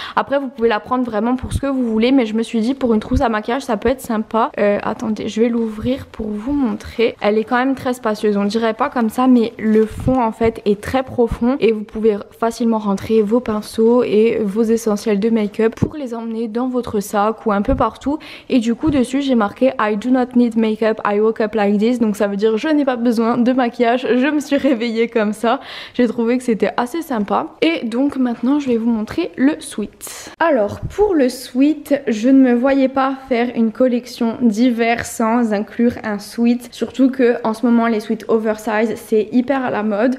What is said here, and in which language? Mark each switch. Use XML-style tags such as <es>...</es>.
<fr>Après vous pouvez la prendre vraiment pour ce que vous voulez, mais je me suis dit pour une trousse à maquillage ça peut être sympa. Attendez, je vais l'ouvrir pour vous montrer. Elle est quand même très spacieuse, on dirait pas comme ça, mais le fond en fait est très profond et vous pouvez facilement rentrer vos pinceaux et vos essentiels de make-up pour les emmener dans votre sac ou un peu partout. Et du coup dessus j'ai marqué marqué</fr> <en>I do not need makeup, I woke up like this.</en> <fr>Donc ça veut dire je n'ai pas besoin de maquillage, je me suis réveillée comme ça. J'ai trouvé que c'était assez sympa. Et donc maintenant je vais vous montrer le suite. Alors pour le suite, je ne me voyais pas faire une collection d'hiver sans inclure un suite. Surtout que en ce moment les suites oversize c'est hyper à la mode.</fr>